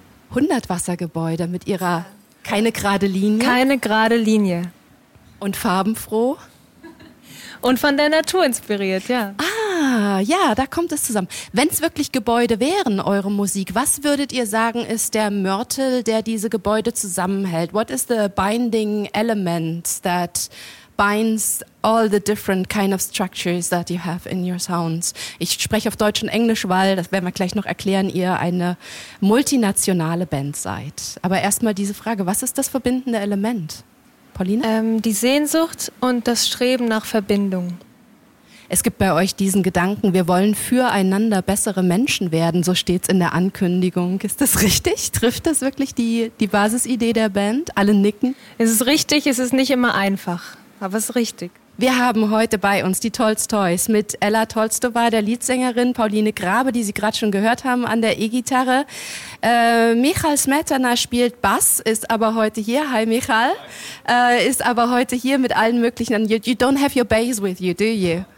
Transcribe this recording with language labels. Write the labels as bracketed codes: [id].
[de] 100 Wassergebäude mit ihrer keine gerade Linie? Keine gerade Linie. Und farbenfroh? Und von der Natur inspiriert, ja. Ja, da kommt es zusammen. Wenn es wirklich Gebäude wären, eure Musik, was würdet ihr sagen, ist der Mörtel, der diese Gebäude zusammenhält? [en] What is the binding element that binds all the different kind of structures that you have in your sounds? [de] Ich spreche auf Deutsch und Englisch, weil, das werden wir gleich noch erklären, ihr eine multinationale Band seid. Aber erstmal diese Frage, was ist das verbindende Element, Paulina? Die Sehnsucht und das Streben nach Verbindung. Es gibt bei euch diesen Gedanken, wir wollen füreinander bessere Menschen werden, so steht es in der Ankündigung. Ist das richtig? Trifft das wirklich die Basisidee der Band? Alle nicken? Es ist richtig, es ist nicht immer einfach, aber es ist richtig. Wir haben heute bei uns die Tolstoys mit Ella Tolstova, der Leadsängerin, Pauline Grabe, die Sie gerade schon gehört haben, an der E-Gitarre. Michal Smetana spielt Bass, ist aber heute hier. Hi Michal. Ist aber heute hier mit allen möglichen. [en] You don't have your bass with you, do you?